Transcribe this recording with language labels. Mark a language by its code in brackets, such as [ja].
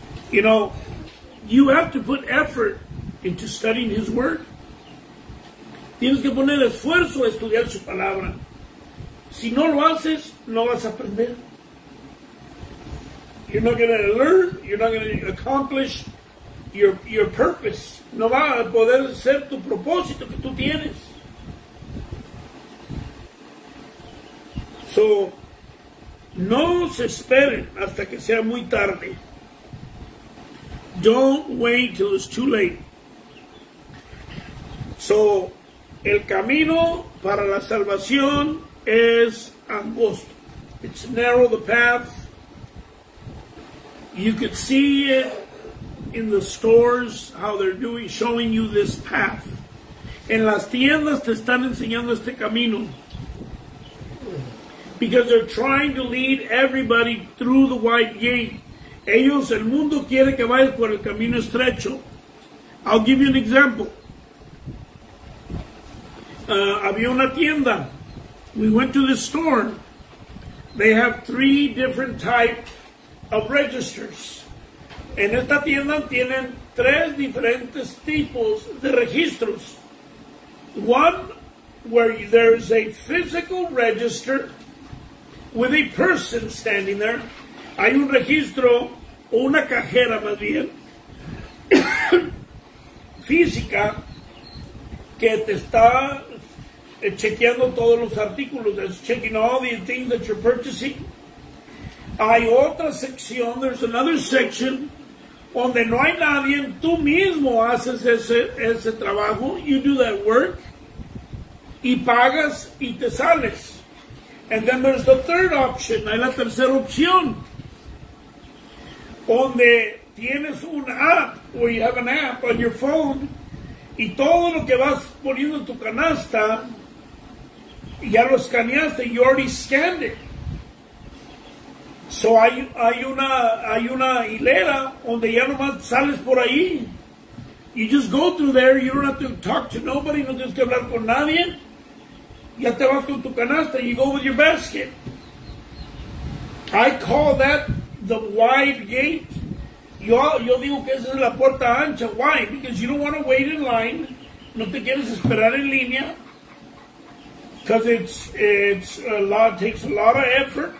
[en] You know, you have to put effort into studying His Word. [es] Tienes que poner esfuerzo a estudiar su palabra. Si no lo haces, no vas a aprender. [en] You're not going to learn. You're not going to accomplish your purpose. [es] No va a poder ser tu propósito que tú tienes. So, no se esperen hasta que sea muy tarde. [en] Don't wait till it's too late. [es] So, el camino para la salvación es angosto. [en] It's narrow, the path. You could see it in the stores, how they're doing, showing you this path. [es] En las tiendas te están enseñando este camino. [en] Because they're trying to lead everybody through the wide gate. [es] Ellos, el mundo quiere que vayas por el camino estrecho. [en] I'll give you an example. [es] Había una tienda. [en] We went to the store. They have three different types of registers. [es] En esta tienda tienen tres diferentes tipos de registros. [en] One where there's a physical register with a person standing there. [es] Hay un registro, o una cajera más bien, física, que te está chequeando todos los artículos, [en] that's checking all the things that you're purchasing. [es] Hay otra sección, [en] there's another section, [es] donde no hay nadie, tú mismo haces ese trabajo, [en] you do that work, [es] y pagas y te sales. [en] And then there's the third option, [es] hay la tercera opción, donde tienes un app, [en] where you have an app on your phone, [es] y todo lo que vas poniendo en tu canasta, ya lo escaneaste, [en] you already scanned it. [es] So hay una hilera donde ya nomás sales por ahí. [en] You just go through there, you don't have to talk to nobody, [es] no tienes que hablar con nadie. Ya te vas con tu canasta, [en] you go with your basket. I call that the wide gate. [es] Yo digo que esa es la puerta ancha. [en] Why? Because you don't want to wait in line. [es] No te quieres esperar en línea. [en] Because it's a lot, takes a lot of effort.